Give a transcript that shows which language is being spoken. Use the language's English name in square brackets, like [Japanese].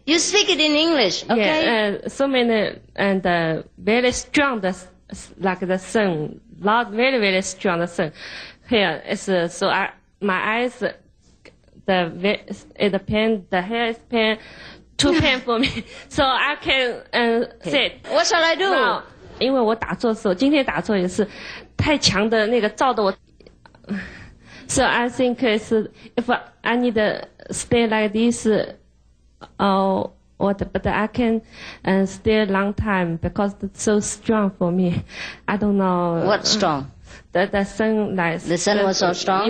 [English] You speak it in English, okay? Yeah, so many and very strong, like the sun, not very, very strong the sun. Here, it's, so my eyes, the pain, the hair is pain. Too pain for me, so I can sit. What shall I do? [Chinese] No, 因为我打坐的时候，今天打坐也是太强的那个照的我。 [English] So I think is if I need to stay like this, but I can stay long time because it's so strong for me. I don't know. What strong? The sunlight. The sun was so strong?